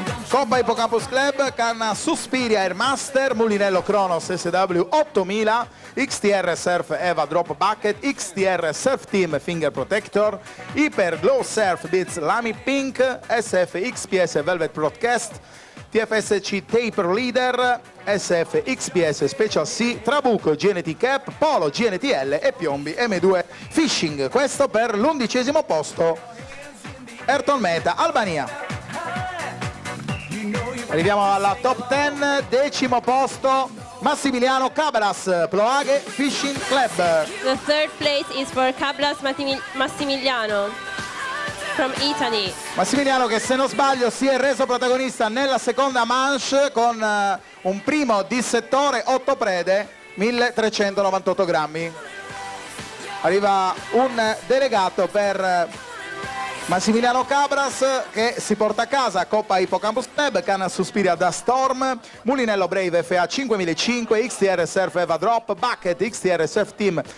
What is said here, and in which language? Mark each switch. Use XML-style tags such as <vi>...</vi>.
<it>Coppa Hippocampus Club, canna Suspiria Air Master, Mulinello Kronos SW 8000, XTR Surf Eva Drop Bucket, XTR Surf Team Finger Protector, Hyper Glow Surf Beats Lamy Pink, SFX PS Velvet Broadcast, TFSC Taper Leader, SFX PS Special C, Trabucco GNT Cap, Polo GNTL e Piombi M2 Fishing. Questo per l'11° posto Ayrton Mehta, Albania. Arriviamo alla top 10, 10° posto Massimiliano Cabras, Ploaghe Fishing Club.</it> <en>The third place is for Cabras Massimiliano from Italy.</en> <it>Massimiliano che, se non sbaglio, si è reso protagonista nella seconda manche con un primo dissettore 8 prede, 1398 grammi. Arriva un delegato per Massimiliano Cabras che si porta a casa Coppa Hippocampus Club, canna Suspiria da Storm, Mulinello Brave FA 5005, XTR Surf Eva Drop Bucket, XTR Surf Team</it>